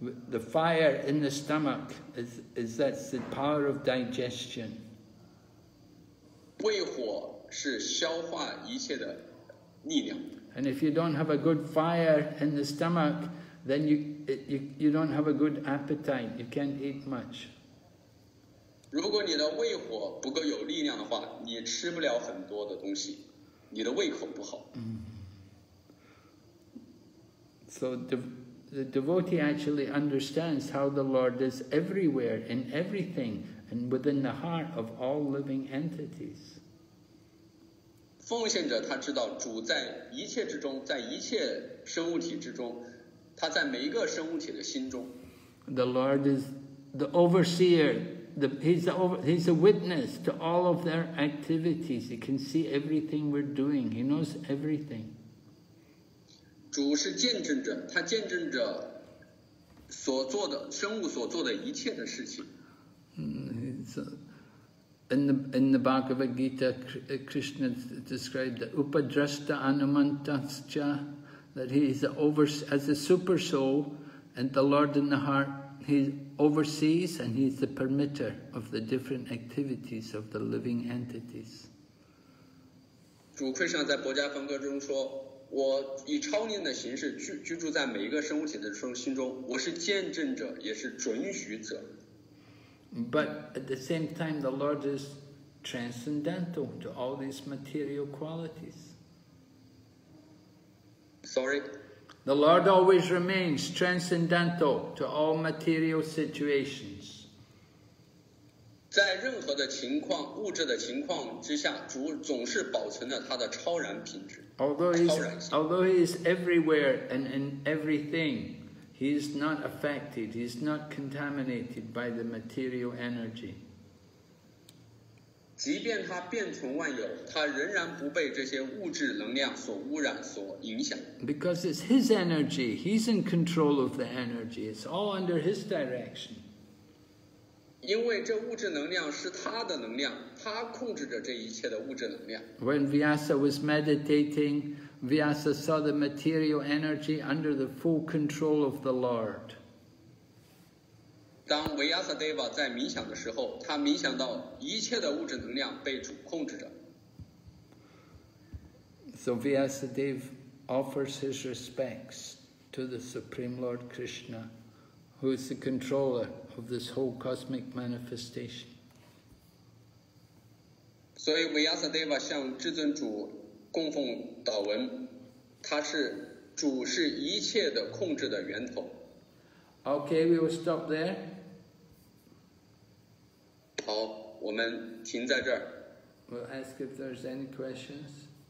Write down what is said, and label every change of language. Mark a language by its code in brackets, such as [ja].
[en] The fire in the stomach is that's the power of digestion. [zh] 为火是消化一切的力量。 [en] And if you don't have a good fire in the stomach, then you don't have a good appetite. You can't eat much. [zh] 如果你的胃火不够有力量的话，你吃不了很多的东西，你的胃口不好。 [en] So the devotee actually understands how the Lord is everywhere, in everything, and within the heart of all living entities. [zh] 奉献者他知道主在一切之中，在一切生物体之中，他在每一个生物体的心中。 [en] The Lord is the overseer, he's a witness to all of their activities. He can see everything we're doing. He knows everything. [zh] 主是见证者，他见证着所做的生物所做的一切的事情。 [en] In the Bhagavad Gita, Krishna described the Upadrashta Anumantascha, that he is as a super soul, and the Lord in the heart, he oversees and he is the permitter of the different activities of the living entities. [zh] 主 Krishna 在薄伽梵歌中说，我以超念的形式居住在每一个生物体的心中，我是见证者，也是准许者。 [en] But at the same time, the Lord is transcendental to all these material qualities. Sorry? The Lord always remains transcendental to all material situations. [zh] 在任何的情况，物质的情况之下，主总是保存着他的超然品质， [en] Although he is everywhere and in everything,He is not affected, he is not contaminated by the material energy. [zh] 即便他遍存万有，他仍然不被这些物质能量所污染、所影响。 [en] Because it's his energy, he's in control of the energy, it's all under his direction. [zh] 因为这物质能量是他的能量，他控制着这一切的物质能量。 [en] When Vyasa was meditating,Vyasa saw the material energy under the full control of the Lord. [zh] 当维亚萨德瓦在冥想的时候，他冥想到一切的物质能量被主控制着。 [en] So Vyasadeva offers his respects to the Supreme Lord Krishna, who is the controller of this whole cosmic manifestation. [zh] 所以维亚萨德瓦向至尊主。供奉祷文，他是主，是一切的控制的源头。 [en] Okay, we will stop there. [zh] 好，我们停在这儿。 [en] We'll ask if there's any questions.